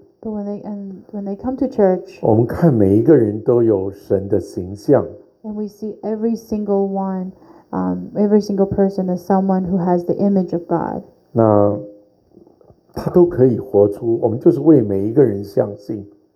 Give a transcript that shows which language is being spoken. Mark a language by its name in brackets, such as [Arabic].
[English] ，but when they come to church， [Chinese] 我们看每一个人都有神的形象 [English] ，and we see every single one， every single person as someone who has the image of God。 [Chinese] 那他都可以活出，我们就是为每一个人相信。